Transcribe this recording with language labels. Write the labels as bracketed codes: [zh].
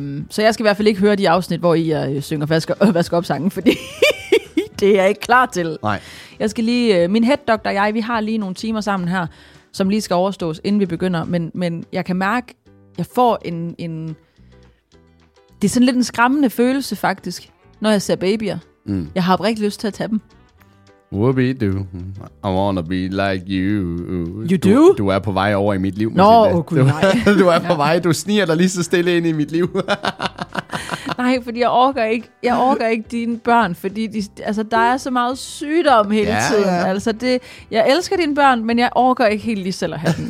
[da] Så jeg skal i hvert fald ikke høre de afsnit, hvor I synger vaske op sangen, fordi det er jeg ikke klar til. Nej. Jeg skal lige... Min head-doktor og jeg, vi har lige nogle timer sammen her, som lige skal overstås, inden vi begynder. Men jeg kan mærke, jeg får en det er sådan lidt en skræmmende følelse, faktisk, når jeg ser babyer. Mm. Jeg har oprigtigt lyst til at tage dem. [en] Whoopie do, I wanna be like you. You do? [da] Du er på vej over i mit liv. Nå, okay, nej. Du er på vej, du sniger dig lige så stille ind i mit liv. Nej, fordi jeg orker ikke dine børn, fordi der er så meget sygdom hele tiden. Ja. Altså det, jeg elsker dine børn, men jeg orker ikke helt lige selv at have dem.